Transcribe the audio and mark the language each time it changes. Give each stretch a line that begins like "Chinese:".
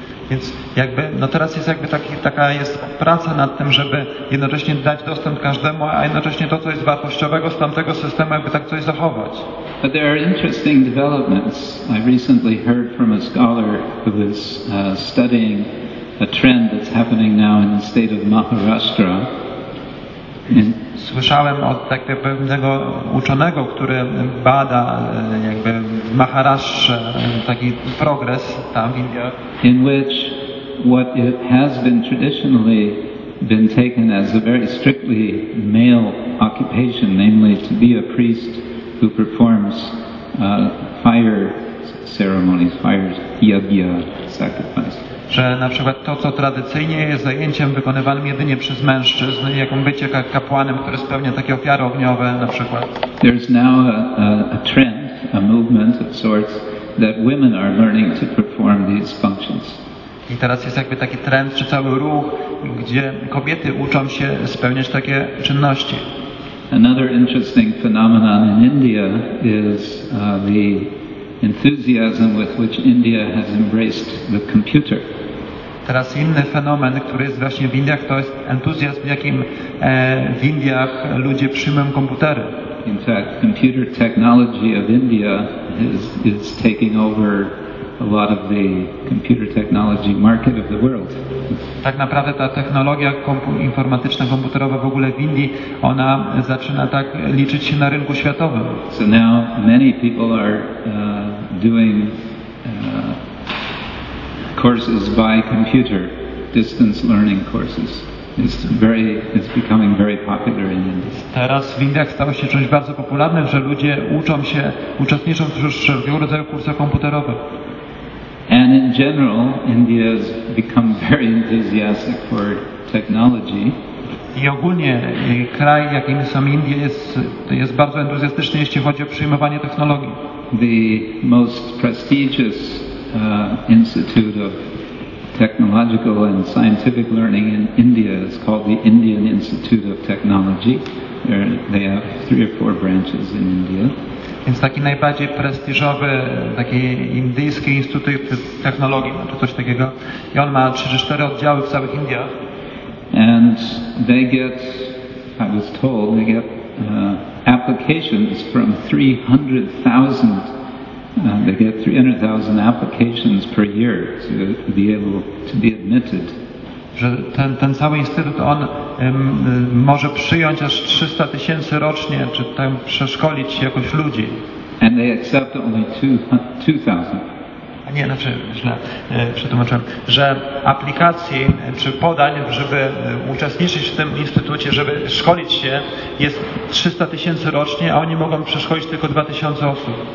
Polish: Więc jakby, no teraz jest jakby taka jest praca nad tym, żeby jednocześnie dać dostęp każdemu, a jednocześnie to, co jest wartościowego z tamtego systemu, jakby tak coś zachować.
English: But there are interesting developments. I recently heard from a scholar who is studying a trend that's happening now in the state of Maharashtra.
Polish: Słyszałem od takiego pewnego uczonego, który bada jakby Maharashtra, taki progres tam w Indiach.
English: In which what it has been traditionally been taken as a very strictly male occupation, namely to be a priest who performs fire ceremonies, fire yagya sacrifice.
Polish: Że na przykład to, co tradycyjnie jest zajęciem wykonywanym jedynie przez mężczyzn, jaką bycie kapłanem, który spełnia takie ofiary ogniowe na przykład.
English: There's now a trend, a movement of sorts, that women are learning to perform these functions.
Polish: I teraz jest jakby taki trend, czy cały ruch, gdzie kobiety uczą się spełniać takie czynności.
English: Another interesting phenomenon in India is the enthusiasm with which India has embraced the computer.
Polish: Teraz inny fenomen, który jest właśnie w Indiach, to jest entuzjazm, jakim w Indiach ludzie przyjmują komputery.
English: In fact, computer technology of India is taking over a lot of the computer technology market of the world.
Polish: Tak naprawdę ta technologia informatyczna, komputerowa w ogóle w Indii, ona zaczyna tak liczyć się na rynku światowym.
English: So now many people are doing courses by computer, distance learning courses. It's becoming very popular in India.
Polish: Teraz w Indiach stało się czymś bardzo popularnym, że ludzie uczą się, uczestniczą w różnego rodzaju kursach komputerowych.
English: And in general, India has become very enthusiastic for technology.
Polish: I ogólnie kraj, jakim są Indie, jest bardzo entuzjastyczny, jeśli chodzi o przyjmowanie technologii.
English: The most prestigious institute of technological and scientific learning in India is called the Indian Institute of Technology. There, they have three or four branches in India.
Polish: Więc taki najbardziej prestiżowy, taki indyjski instytut technologii, czy coś takiego. I on ma 3-4 oddziały w całych Indiach.
English: And they get, I was told, they get applications from 300,000. They get 300,000 applications per year to be able to be admitted.
Polish: Że ten cały instytut, on może przyjąć aż 300,000 rocznie, czy tam przeszkolić jakoś ludzi.
English: And they accept only 2,000.
Polish: A nie, znaczy źle przetłumaczyłem, że aplikacji czy podań, żeby uczestniczyć w tym instytucie, żeby szkolić się, jest 300,000 rocznie, a oni mogą przeszkolić tylko 2,000 osób.